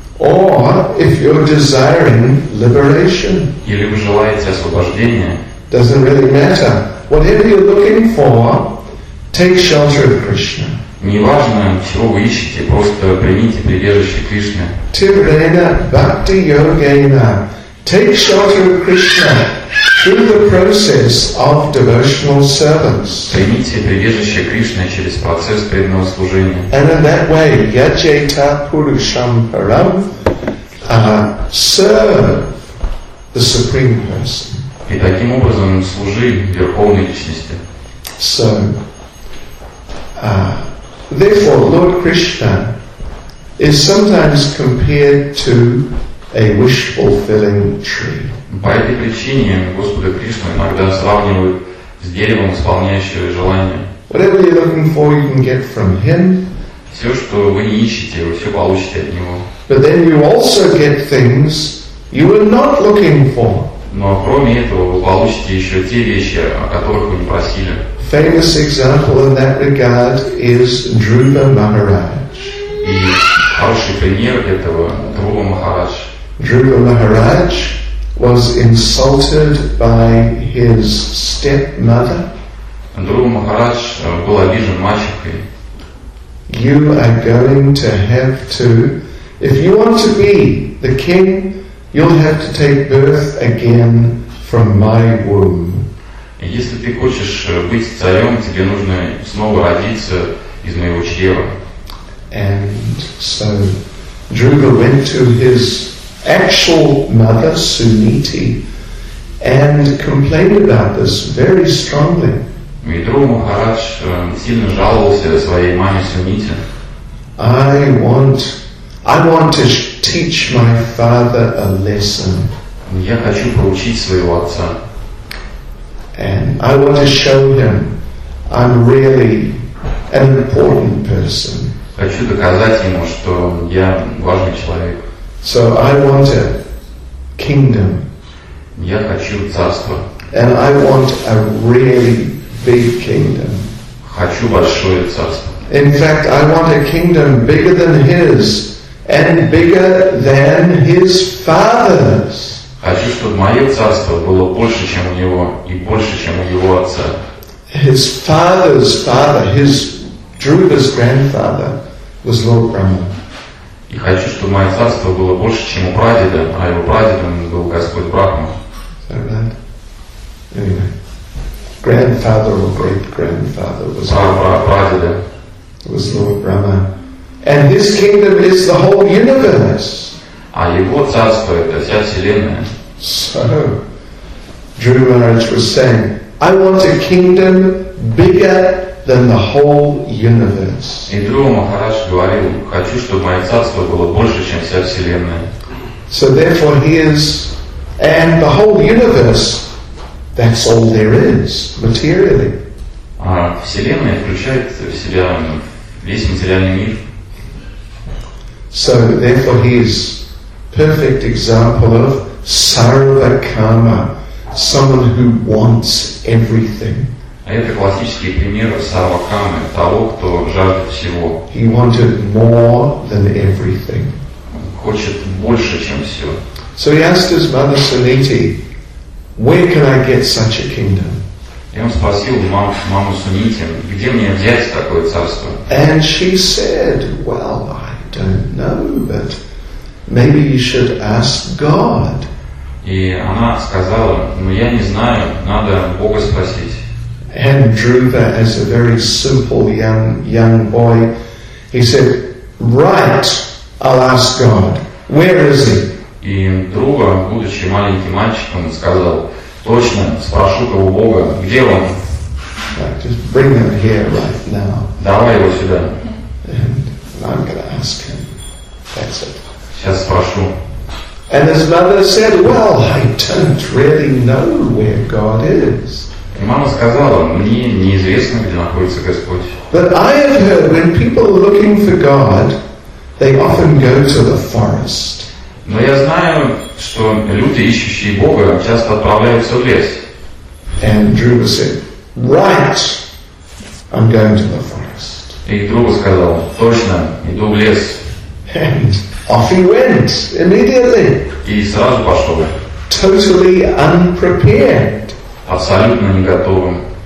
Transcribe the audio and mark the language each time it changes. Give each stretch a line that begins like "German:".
English: Or if you're desiring liberation.
Russian: Или вы желаете освобождения.
English: Doesn't really matter. Whatever you're looking for, take shelter of Krishna.
Russian: Неважно, чего вы ищете, просто примите прибежище Кришны.
Sanskrit: Tivrena bhakti yogena.
English: Take shelter of Krishna through the process of devotional service.
Russian: Примите прибежище Кришны через процесс преданного служения.
English: And in that way,
Sanskrit: yajeta purusham param,
English: serve the Supreme Person.
Russian: И таким образом служи Верховной Личности.
English: So, therefore, Lord Krishna is sometimes compared to a wish-fulfilling tree.
Russian: По этой причине Господа Кришна иногда сравнивают с деревом, исполняющим желания.
English: Whatever you're looking for, you can get from him.
Russian: Все, что вы не ищете, вы все получите от него.
English: But then you also get things you were not looking for.
Russian: Но кроме этого, вы получите еще те вещи, о которых вы не просили.
English: Famous example in that regard is Dhruva Maharaj.
Russian: И хороший пример этого Dhruva Maharaj.
English: Dhruva Maharaj was insulted by his stepmother.
Russian: Dhruva Maharaj был обижен мачехой.
English: You are going to have to, if you want to be the king, you'll have to take birth again from my womb.
Russian: Если ты хочешь быть царем, тебе нужно снова родиться из моего чрева.
English: And so Dhruva went to his actual mother, Suniti, and complained about this very strongly.
Russian: И Дхрува Махарадж сильно жаловался своей маме Сунити.
English: I want to teach my father a lesson.
Russian: Я хочу проучить своего отца.
English: And I want to show him I'm really an important person.
Russian: Хочу доказать ему, что я важный человек.
English: So I want a kingdom.
Russian: Я хочу царство.
English: And I want a really big kingdom.
Russian: Хочу большое царство.
English: In fact, I want a kingdom bigger than his and bigger than his father's.
Russian: Хочу, чтобы мое царство было больше, чем у него, и больше, чем у его отца.
English: His father's father, his Dhruva's grandfather, was Lord Brahma.
Russian: И хочу, чтобы мое царство было больше, чем у прадеда, а его прадедом был Господь Брахма.
English: Is that right? Anyway. Grandfather or great-grandfather was
Russian: Прадеда.
English: Was Lord Brahma. And his kingdom is the whole universe.
Russian: А его царство — это вся вселенная.
English: Drew Maharaj was saying, I want a kingdom bigger than the whole universe.
Russian: И Drew Maharaj говорил, хочу, чтобы мое царство было больше, чем вся вселенная.
English: So therefore he is, and the whole universe, that's all there is, materially.
Russian: А вселенная включает в себя весь материальный мир.
English: So therefore he is perfect example of Sarvakama, someone who wants everything.
Russian: Это классический пример Сарвакамы, того, кто жаждет всего.
English: He wanted more than everything.
Russian: Хочет больше, чем все.
English: So he asked his mother Suniti, where can I get such a kingdom?
Russian: И он спросил маму Сунити, где мне взять такое царство?
English: And she said, well, I don't know, but maybe you should ask God.
Russian: И она сказала, ну я не знаю, надо Бога спросить.
English: And Dhruva, as a very simple young boy, he said, right, I'll ask God. Where is he?
Russian: И Dhruva, будучи маленьким мальчиком, сказал, точно, спрошу-ка у Бога, где он?
English: Right, just bring him here right now.
Russian: Давай его сюда.
English: And I'm going to ask him. That's it.
Russian: Сейчас спрошу.
English: And his mother said, well, I don't really know where God is.
Russian: И мама сказала, мне неизвестно, где находится Господь.
English: But I have heard when people are looking for God, they often go to the forest.
Russian: Но я знаю, что люди, ищущие Бога, часто отправляются в лес.
English: And Dhruva said, right, I'm going to the forest.
Russian: И Dhruva сказал, точно, иду в лес.
English: And off he went, immediately.
Russian: И сразу пошел.
English: Totally unprepared.
Russian: Абсолютно не готовым.